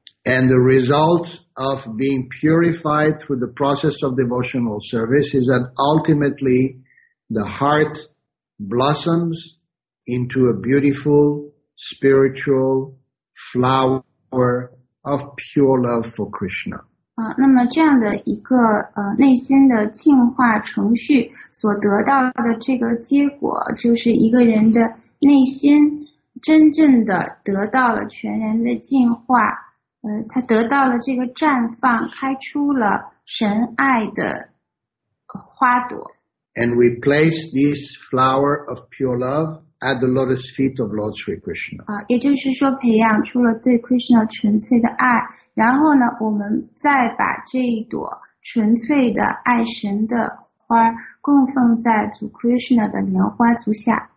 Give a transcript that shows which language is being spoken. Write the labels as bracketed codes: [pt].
[en] And the result of being purified through the process of devotional service is that ultimately the heart blossoms into a beautiful spiritual flower of pure love for Krishna. [zh] 那么这样的一个内心的净化程序所得到的这个结果，就是一个人的内心真正的得到了全然的净化，他得到了这个绽放，开出了神爱的花朵。 [en] And we place this flower of pure love at the lotus feet of Lord Sri Krishna. [zh] 也就是说，培养出了对 Krishna 纯粹的爱，然后呢，我们再把这一朵纯粹的爱神的花供奉在主 Krishna 的莲花足下。